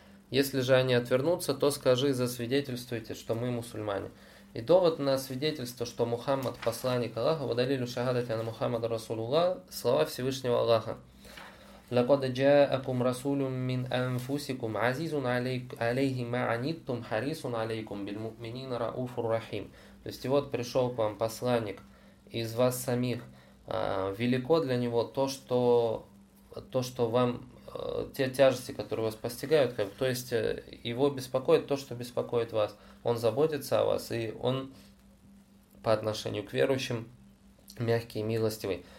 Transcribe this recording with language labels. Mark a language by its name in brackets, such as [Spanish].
[Russian] Если же они отвернутся, то скажи, засвидетельствуйте, что мы мусульмане. И довод на свидетельство, что Мухаммад посланник Аллаха, [Arabic] водалилю шагадати на Мухаммада Расулула, [Russian] слова Всевышнего Аллаха. [Arabic] لقد جاءكم رسول من أنفسكم عزيز عليه ما عنتم حريص عليكم بالمؤمنين رؤوف رحيم. [Russian] То есть вот пришел к вам посланник из вас самих. Велико для него то, что вам те тяжести, которые вас постигают, как, то есть его беспокоит то, что беспокоит вас. Он заботится о вас, и он по отношению к верующим мягкий и милостивый.